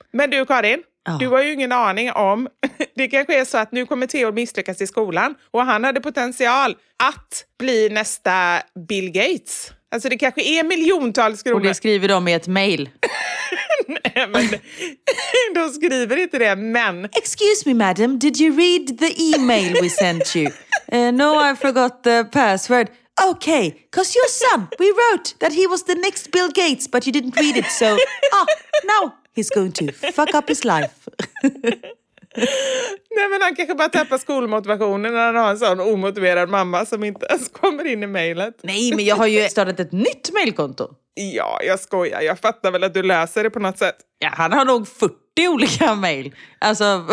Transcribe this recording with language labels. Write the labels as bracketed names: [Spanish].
[Swedish] Men du, Karin, du har ju ingen aning om... Det kanske är så att nu kommer Theo misslyckas i skolan och han hade potential att bli nästa Bill Gates. Alltså det kanske är miljontals kronor. Och det skriver de i ett mail. Nej, men de skriver inte det, men... [English] Excuse me, madam, did you read the email we sent you? No, I forgot the password. Okay, because your son, we wrote that he was the next Bill Gates, but you didn't read it, so... Ah, now he's going to fuck up his life. [Swedish] Nej, men han kanske bara tappar skolmotivationen när han har en sån omotiverad mamma som inte ens kommer in i mejlet. Nej, men jag har ju startat ett nytt mejlkonto. Ja, jag skojar. Jag fattar väl att du läser det på något sätt. Ja, han har nog 40 olika mejl. Alltså...